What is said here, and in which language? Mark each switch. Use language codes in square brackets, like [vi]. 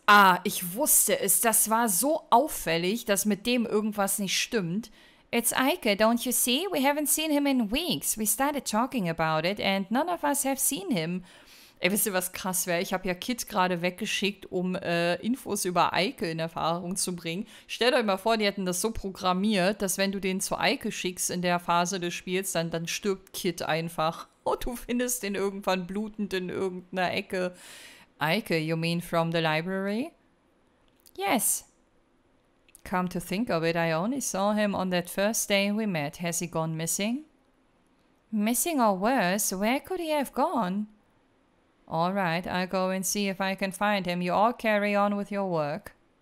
[de] Ah, ich wusste es. Das war so auffällig, dass mit dem irgendwas nicht stimmt. [en] It's Ike, don't you see? We haven't seen him in weeks. We started talking about it and none of us have seen him. [de] Ey, wisst ihr, was krass wäre? Ich habe ja Kit gerade weggeschickt, um Infos über Ike in Erfahrung zu bringen. Stellt euch mal vor, die hätten das so programmiert, dass wenn du den zu Ike schickst in der Phase des Spiels, dann stirbt Kit einfach. Und du findest den irgendwann blutend in irgendeiner Ecke. [en] Ike, you mean from the library? Yes. Come to think of it, I only saw him on that first day we met. Has he gone missing? Missing or worse, where could he have gone? All right, I'll go and see if I can find him. You all carry on with your work.